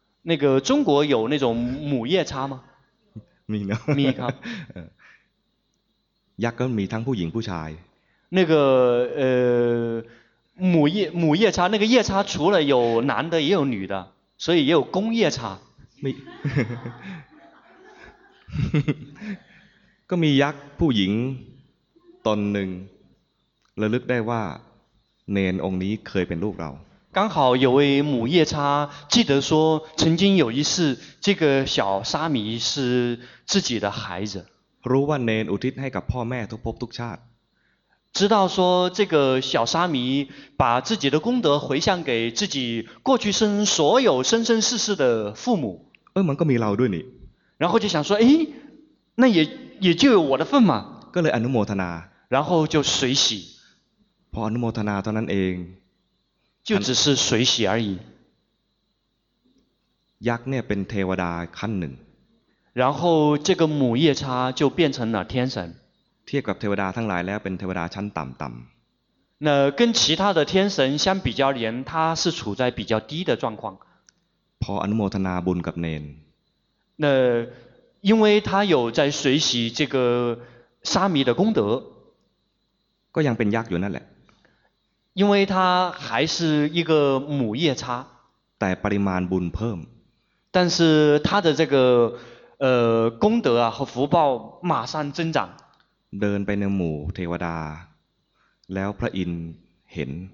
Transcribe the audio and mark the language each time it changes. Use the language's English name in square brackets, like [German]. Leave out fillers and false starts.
[Chinese] 那个中国有那种母夜叉吗 [Thai] มีนะ มีครับ ยักษ์ก็มีทั้งผู้หญิงผู้ชาย [Chinese] 那个母夜叉那个夜叉除了有男的也有女的所以也有公夜叉 [Thai] มีก็มียักษ์ผู้หญิงตนหนึ่งระลึกได้ว่าเนนองค์นี้เคยเป็นลูกเรา [Chinese] 刚好有位母夜叉记得说曾经有一次这个小沙弥是自己的孩子 [Thai] รู้ว่าเนนอุทิศให้กับพ่อแม่ทุกภพทุกชาติ [Chinese] 知道说这个小沙弥把自己的功德回向给自己过去生所有生生世世的父母 [Thai] เออมันก็มีเราด้วยนี่ [Chinese] 然后就想说诶那也就有我的份嘛 [Thai] ก็เลยอนุโมทนา [Chinese] 然后就随喜 [Thai] พออนุโมทนาเท่านั้นเอง จึง [Chinese] 只是随喜而已 [Thai] ยักษ์เนี่ยเป็นเทวดาขั้นหนึ่ง [Chinese] 然后这个母夜叉就变成了天神 [Thai] เทียบกับเทวดาทั้งหลายแล้วเป็นเทวดาชั้นต่ำต่ำ [Chinese] 那跟其他的天神相比较而言他是处在比较低的状况 [Thai] พออนุโมทนาบุญกับเนน [Chinese] 那因为他有在随喜这个沙弥的功德 [Thai] ก็ยังเป็นยักษ์อยู่นั่นแหละ [Chinese] 因为他还是一个母夜叉 [Thai] แต่ปริมาณบุญเพิ่ม [Chinese] 但是他的这个功德啊和福报马上增长 [Thai] เดินไปในหมู่เทวดาแล้วพระอินทร์เห็น